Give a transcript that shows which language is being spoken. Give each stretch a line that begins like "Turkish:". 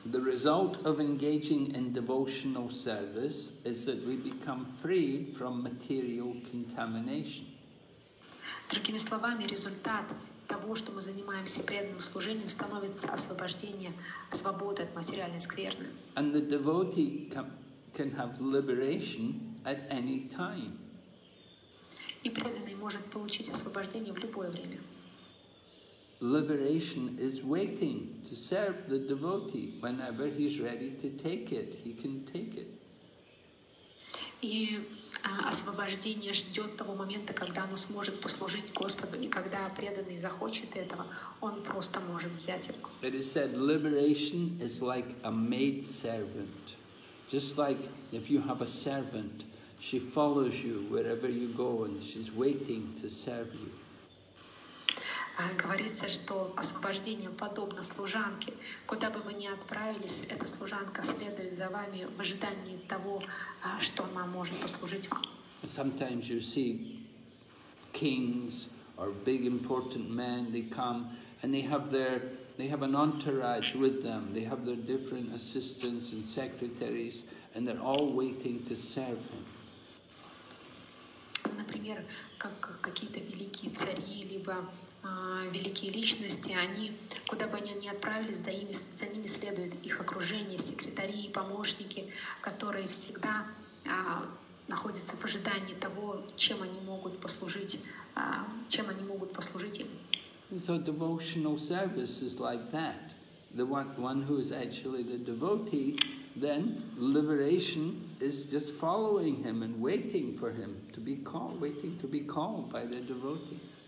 English: The result of engaging in devotional service is that we become freed from material contamination.
Russian: Другими словами, результат того, что мы занимаемся преданным служением, становится освобождение, свобода от материальной скверны.
English: And the devotee can have liberation at any time.
Russian: И преданный может получить освобождение в любое время.
English: Liberation is waiting to serve the devotee whenever he's ready to take it. He can take it.
Russian: И освобождение ждет того момента, когда оно сможет послужить Господу. И когда преданный захочет этого, он просто может взять это.
English: It is said liberation is like a maid servant. Just like if you have a servant, she follows you wherever you go and she's waiting to serve you.
Russian: Говорится, что освобождение подобно служанке. Куда бы вы ни отправились, эта служанка следует за вами в ожидании того, что она может послужить вам.
English: Sometimes you see kings or big important men, they come and they have an entourage with them. They have their different assistants and secretaries and they're all waiting to serve him.
Russian: Например, как какие-то великие цари, либо великие личности, они, куда бы они ни отправились, за ними следует их окружение, секретари и помощники, которые всегда находятся в ожидании того, чем они могут послужить им.
English: So devotional service is like that. The one who is actually the devotee, then liberation is just following him and waiting for him to be called, waiting to be called by the devotee.